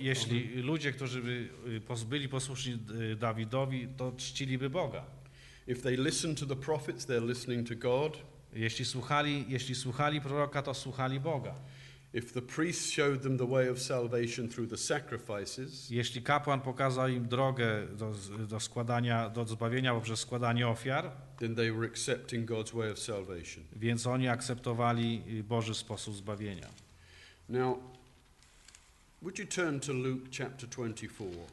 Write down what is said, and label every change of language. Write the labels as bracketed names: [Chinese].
[Polish] Jeśli ludzie, którzy by byli posłuszni Dawidowi, to czciliby Boga. [English] If they listen to the prophets, they're listening to God. [Polish] Jeśli słuchali proroka, to słuchali Boga. [English] If the priest showed them the way of salvation through the sacrifices, [Polish] jeśli kapłan pokazał im drogę do zbawienia poprzez składanie ofiar, [English] then they were accepting God's way of salvation. [Polish] Więc oni akceptowali Boży sposób zbawienia. [English] Now, would you turn to Luke chapter 24?